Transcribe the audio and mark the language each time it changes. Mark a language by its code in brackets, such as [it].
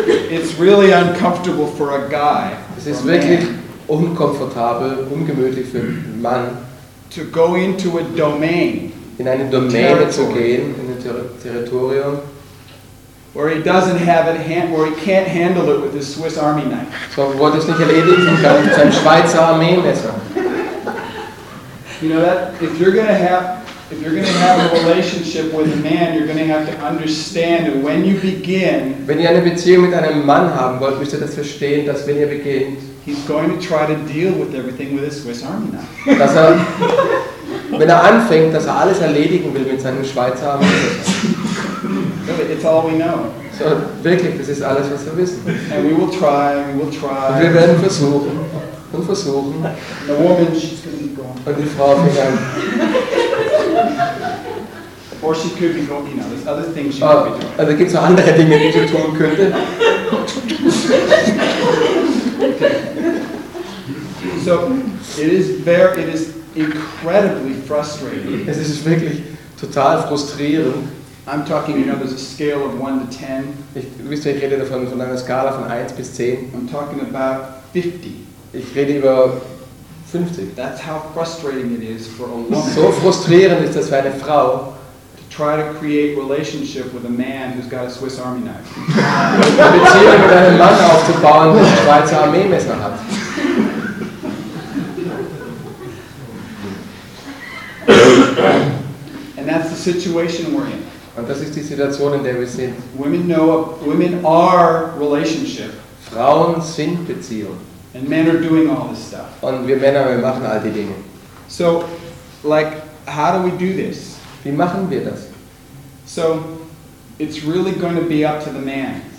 [en] It's really uncomfortable for a guy. [de] Es ist wirklich unkomfortabel, ungemütlich für einen Mann. [en] To go into a domain. [de] In eine Domäne zu gehen, in ein Territorium. [en] Where he doesn't have it, where he can't handle it with his Swiss Army knife. [de] So wo das nicht erledigen kann mit seinem Schweizer Armeemesser. [en] You know that if you're going to have a relationship with a man, you're going to have to understand that when you begin. [de] Wenn ihr eine Beziehung mit einem Mann haben wollt, müsst ihr das verstehen, dass wenn ihr beginnt, [en] he's going to try to deal with everything with a Swiss Army knife. [de] Dass er, wenn er anfängt, dass er alles erledigen will mit seinem Schweizer Armeemesser. [en] It's all we know. [de] So wirklich, das ist alles, was wir wissen. [en] And we will try, we will try. [de] Und wir werden versuchen. [en] The woman, she's going to be gone. [de] Und die Frau fängt an. [en] Or she could be going, you know, there's other things she could be doing. [de] Also gibt's auch andere Dinge, die sie tun könnte. [en] So it is incredibly frustrating. [de] Es ist wirklich total frustrierend. [en] I'm talking, you know, there's a scale of 1 to 10. [de] Ich rede davon von einer Skala von 1 bis 10. [en] I'm talking about 50. [de] Ich rede über 50. [en] That's how frustrating it is for a woman. [de] So frustrierend ist das für eine Frau. [en] To try to create relationship with a man who's got a Swiss Army knife. [de] Eine Beziehung mit einem Mann aufzubauen, der ein Schweizer Armeemesser hat. [en] And that's the situation we're in. [de] Und das ist die Situation, in der wir sind. [en] Women know, women are relationship. [de] Frauen sind Beziehung. [en] And men are doing all this stuff. [de] Und wir Männer, wir machen all die Dinge. [en] So, like, how do we do this? [de] Wie machen wir das? [en] So, it's really going to be up to the man.